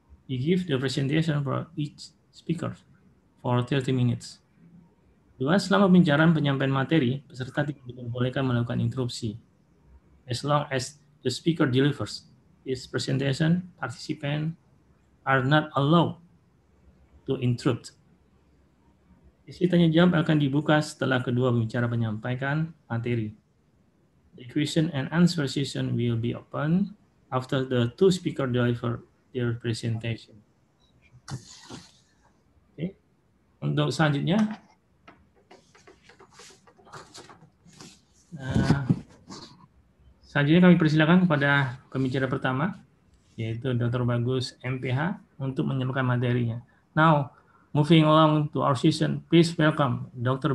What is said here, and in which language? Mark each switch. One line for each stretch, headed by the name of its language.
English: We give the presentation for each speaker for 30 minutes.
Indonesian: Dua, selama pembicaraan penyampaian materi, peserta tidak diperbolehkan melakukan interupsi.
English: As long as the speaker delivers his presentation, participants are not allowed to interrupt.
Indonesian: Sesi tanya jawab akan dibuka setelah kedua pembicara menyampaikan materi.
English: The question and answer session will be open after the two speaker deliver their presentation. Okay.
Indonesian: Untuk selanjutnya, selanjutnya kami persilakan kepada pembicara pertama, yaitu Dr. Bagus MPH, untuk menyampaikan materinya.
English: Now, moving along to our session, please welcome Dr.